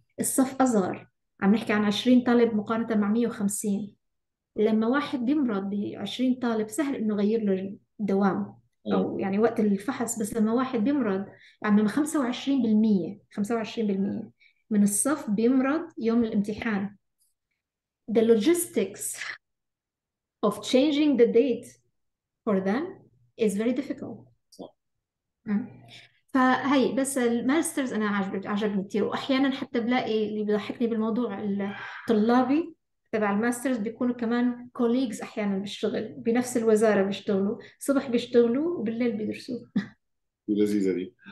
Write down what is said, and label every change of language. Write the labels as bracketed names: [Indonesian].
[Arabic] الصف اصغر، عم نحكي عن 20 طالب مقارنه مع 150، لما واحد بيمرض ب 20 طالب سهل انه يغير له الدوام او يعني وقت الفحص، بس لما واحد بيمرض عم 25% 25% من الصف بيمرض يوم الامتحان. [English] The logistics of changing the date for them is very difficult. [Arabic] فهي بس الماسترز انا عجبني كثير، واحيانا حتى بلاقي اللي بيضحكني بالموضوع الطلابي تبع الماسترز بيكونوا كمان كوليجز احيانا بالشغل، بنفس الوزاره بيشتغلوا، صبح بيشتغلوا وبالليل بيدرسوا. لذيذة دي.